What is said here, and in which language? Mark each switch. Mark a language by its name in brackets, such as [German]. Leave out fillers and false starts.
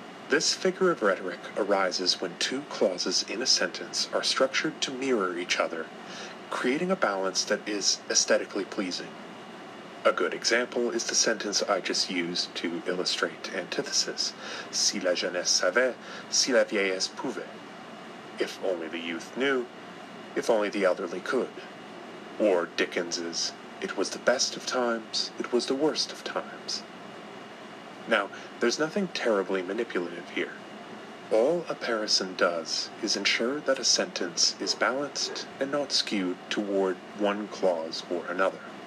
[English] This figure of rhetoric arises when two clauses in a sentence are structured to mirror each other, creating a balance that is aesthetically pleasing. A good example is the sentence I just used to illustrate antithesis. [French] Si la jeunesse savait, si la vieillesse pouvait. [English] If only the youth knew, if only the elderly could. Or Dickens's, it was the best of times, it was the worst of times. Now, there's nothing terribly manipulative here. All a comparison does is ensure that a sentence is balanced and not skewed toward one clause or another.